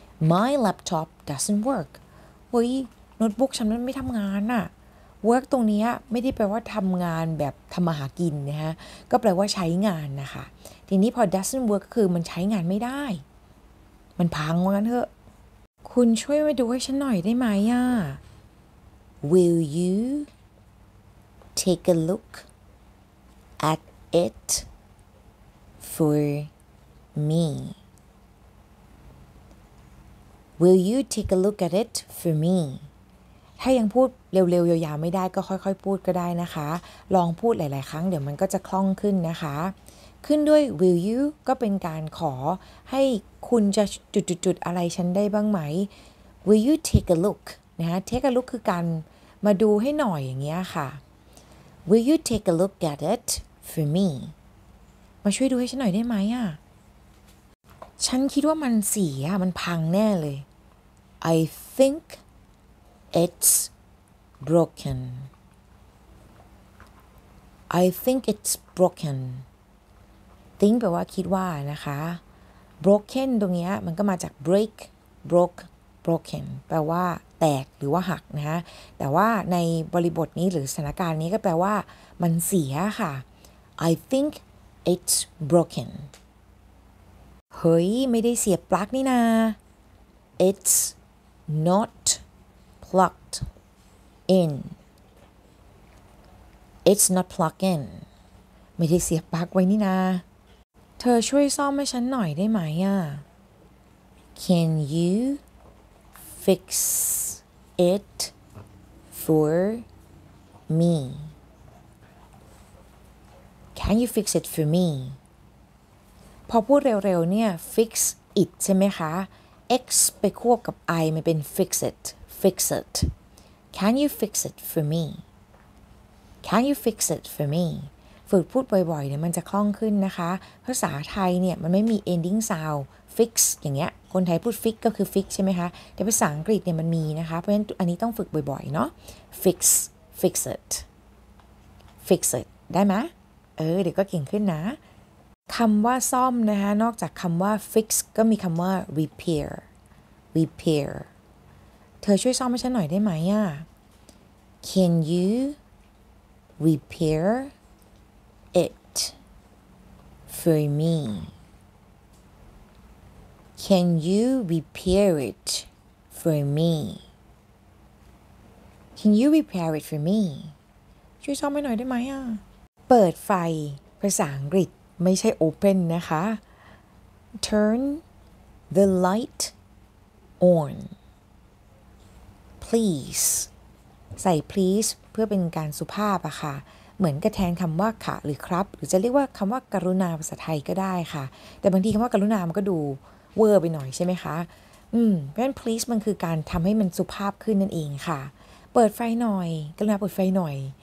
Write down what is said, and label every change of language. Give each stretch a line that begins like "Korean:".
English: My laptop doesn't work
Thai: เฮ้ยโน้ตบุ๊กฉันมันไม่ทำงานอะ work ตรงนี้ไม่ได้แปลว่าทำงานแบบทำมาหากินนะฮะก็แปลว่าใช้งานนะคะทีนี้พอ
English: doesn't work
Thai: ก็คือมันใช้งานไม่ได้มันพังว่างั้นเถอะคุณช่วยมาดูให้ฉันหน่อยได้ไหมอะ
English: Will youTake a look at it for me. Will you take a look at it for me?
Thai: ถ้ายังพูดเร็วๆยาวๆไม่ได้ก็ค่อยๆพูดก็ได้นะคะลองพูดหลายๆครั้งเดี๋ยวมันก็จะคล่องขึ้นนะคะขึ้นด้วย Will you ก็เป็นการขอให้คุณจะจุดๆๆอะไรฉันได้บ้างไหม
English: Will you take a look
Thai: นะฮะ
English: Take a look
Thai: คือการมาดูให้หน่อยอย่างเงี้ยค่ะ
English: Will you take a look at it for me?
Thai: มาช่วยดูให้ฉันหน่อยได้ไหมอ่ะฉันคิดว่ามันเสียมันพังแน่เลย
English: I think it's broken I think it's broken
Thai: think แปลว่าคิดว่านะคะ broken ตรงนี้มันก็มาจาก break broke broken แปลว่าแตกหรือว่าหักนะฮะแต่ว่าในบริบทนี้หรือสถานการณ์นี้ก็แปลว่ามันเสียค่ะ
English: I think it's broken
Thai: เฮ้ยไม่ได้เสียปลั๊กนี่นะ
English: it's not plugged in it's not plugged in
Thai: ไม่ได้เสียปลั๊กไว้นี่นะเธอช่วยซ่อมให้ฉันหน่อยได้ไหมอ่ะ
English: can youFix it for me. Can you fix it for me?
Thai: พอพูดเร็วๆเนี่ย fix it ใช่ไหมคะ x ไปควบกับ i มันเป็น
English: fix it fix it. Can you fix it for me? Can you fix it for me?
Thai: ฝึกพูดบ่อยๆเนี่ยมันจะคล่องขึ้นนะคะภาษาไทยเนี่ยมันไม่มี
English: ending soundfix
Thai: อย่างเงี้ยคนไทยพูด fix ก็คือ fix ใช่ไหมคะแต่ภาษาอังกฤษเนี่ยมันมีนะคะเพราะฉะนั้นอันนี้ต้องฝึกบ่อยๆเนาะ
English: fix fix it fix it
Thai: ได้ไหมเดี๋ยวก็เก่งขึ้นนะคำว่าซ่อมนะคะนอกจากคำว่า fix ก็มีคำว่า repair
English: repair
Thai: เธอช่วยซ่อมให้ฉันหน่อยได้ไหมอ่ะ
English: can you repair it for meCan you repair it for me? Can you repair it for me?
Thai: ช่วยซ่อมให้หน่อยได้ไหมอ่ะเปิดไฟภาษาอังกฤษไม่ใช่ open นะคะ
English: Turn the light on please
Thai: ใส่ please เพื่อเป็นการสุภาพอะค่ะเหมือนกับแทนคำว่าค่ะหรือครับหรือจะเรียกว่าคำว่ากรุณาภาษาไทยก็ได้ค่ะแต่บางทีคำว่ากรุณามันก็ดูเวอร์ไปหน่อยใช่ไหมคะเพราะฉะนั้น please มันคือการทำให้มันสุภาพขึ้นนั่นเองค่ะเปิดไฟหน่อยกรุณาเปิดไฟหน่อย